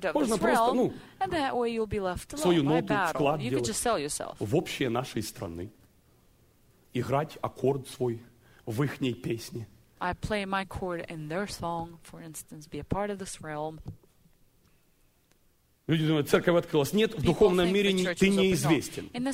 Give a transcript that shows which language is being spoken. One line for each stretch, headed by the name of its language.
Russian: Можно просто, ну, свою ноту, вклад делать в общие нашей страны. Играть аккорд свой в ихней песне.
English: I play my chord in their song, for instance, be a part of this realm.
Russian: Люди думают, церковь открылась. Нет, в духовном мире ты неизвестен.